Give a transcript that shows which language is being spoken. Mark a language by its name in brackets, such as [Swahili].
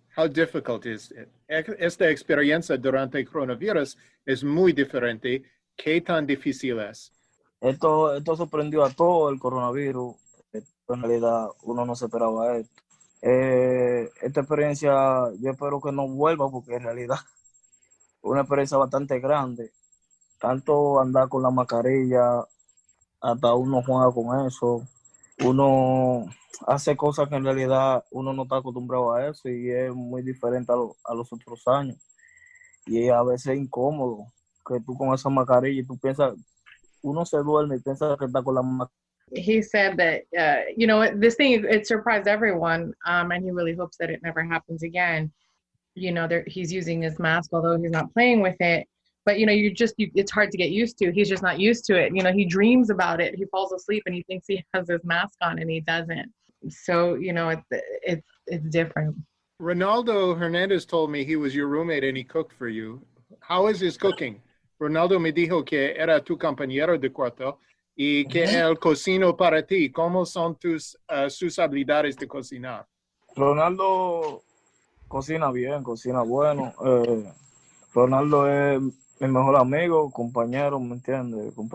[English] How difficult is it? [Spanish] Esta experiencia durante el coronavirus es muy diferente. ¿Qué tan difícil es? Esto sorprendió a todo el coronavirus. En realidad, uno no se esperaba esto. Esta experiencia, yo espero que no vuelva porque en realidad es una experiencia bastante grande. Tanto andar con la mascarilla, hasta uno juega con eso. Uno hace cosas que en realidad uno no está acostumbrado a eso y es muy diferente a los otros años. Y a veces es incómodo que tú con esa mascarilla, tú piensas, uno se duerme y piensa que está con la mascarilla. [English] He said that, you know, this thing, it surprised everyone, and he really hopes that it never happens again. You know, he's using his mask, although he's not playing with it. But, you know, it's hard to get used to. He's just not used to it. You know, he dreams about it. He falls asleep, and he thinks he has his mask on, and he doesn't. So, you know, it's different. Ronaldo Hernandez told me he was your roommate, and he cooked for you. How is his cooking? [Spanish] Ronaldo me dijo que era tu compañero de cuarto. Y que el cocino para ti, ¿cómo son sus habilidades de cocinar? Ronaldo cocina bien, cocina bueno. Ronaldo es mi mejor amigo, compañero, ¿me entiendes?